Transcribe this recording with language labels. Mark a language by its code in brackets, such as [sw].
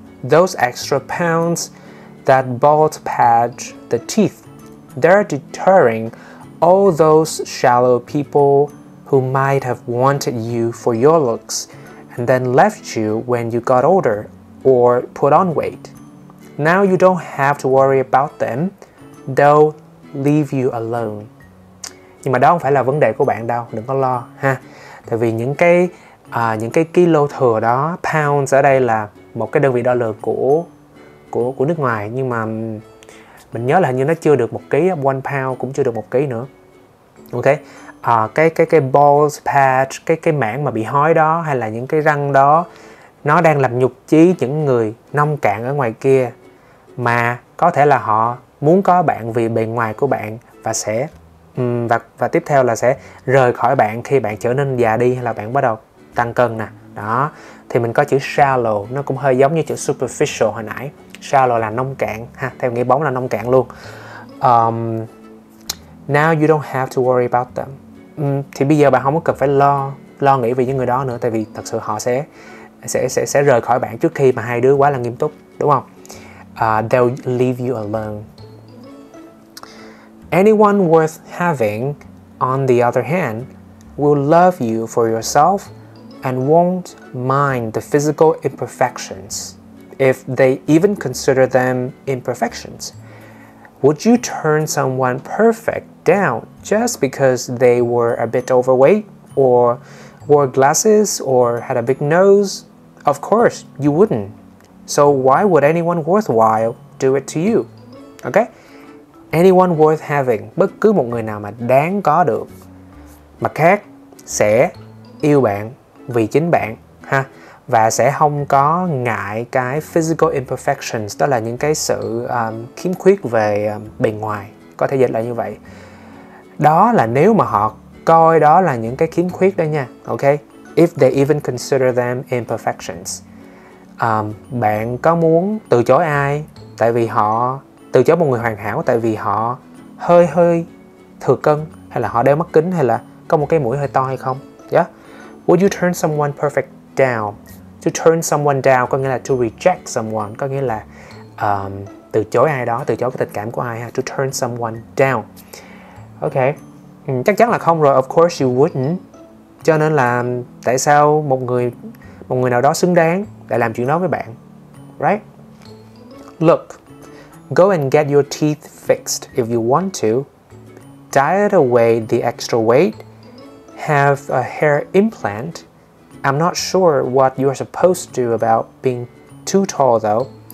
[en] Those extra pounds, that bald patch, the teeth, they're deterring all those shallow people who might have wanted you for your looks and then left you when you got older or put on weight. Now you don't have to worry about them. They'll leave you alone. [vi] Nhưng mà đó không phải là vấn đề của bạn đâu, đừng có lo ha. Tại vì những cái kilo thừa đó, pounds ở đây là một cái đơn vị đo lường của nước ngoài, nhưng mà mình nhớ là hình như nó chưa được một ký, 1 pound cũng chưa được một ký nữa. Ok, cái bald patch, cái mảng mà bị hói đó, hay là những cái răng đó, nó đang làm nhục chí những người nông cạn ở ngoài kia, mà có thể là họ muốn có bạn vì bề ngoài của bạn, và sẽ và tiếp theo là sẽ rời khỏi bạn khi bạn trở nên già đi, hay là bạn bắt đầu tăng cân nè. Đó, thì mình có chữ shallow, nó cũng hơi giống như chữ superficial hồi nãy. Shallow là nông cạn ha, theo nghĩa bóng là nông cạn luôn. [en] Now you don't have to worry about them. [vi] Thì bây giờ bạn không có cần phải lo nghĩ về những người đó nữa, tại vì thật sự họ sẽ rời khỏi bạn trước khi mà hai đứa quá là nghiêm túc, đúng không? [en] They'll leave you alone. Anyone worth having, on the other hand, will love you for yourself and won't mind the physical imperfections. If they even consider them imperfections, would you turn someone perfect down just because they were a bit overweight or wore glasses or had a big nose? Of course, you wouldn't. So why would anyone worthwhile do it to you? Okay? Anyone worth having, [vi] bất cứ một người nào mà đáng có được, mà khác sẽ yêu bạn vì chính bạn, ha? Và sẽ không có ngại cái physical imperfections, đó là những cái sự khiếm khuyết về bề ngoài, có thể dịch là như vậy. Đó là nếu mà họ coi đó là những cái khiếm khuyết đó nha, ok? [en] If they even consider them imperfections. [vi] Bạn có muốn từ chối ai? Tại vì họ từ chối một người hoàn hảo, tại vì họ hơi thừa cân, hay là họ đeo mắt kính, hay là có một cái mũi hơi to hay không? Yeah. [en] Would you turn someone perfect down? To turn someone down [vi] có nghĩa là [en] to reject someone, [vi] có nghĩa là từ chối ai đó, từ chối cái tình cảm của ai ha. [en] To turn someone down. [vi] Ok, chắc chắn là không rồi. [en] Of course you wouldn't. [vi] Cho nên là tại sao một người nào đó xứng đáng để làm chuyện đó với bạn, right? [en] Look, go and get your teeth fixed if you want to. Diet away the extra weight. Have a hair implant. I'm not sure what you're supposed to do about being too tall, though.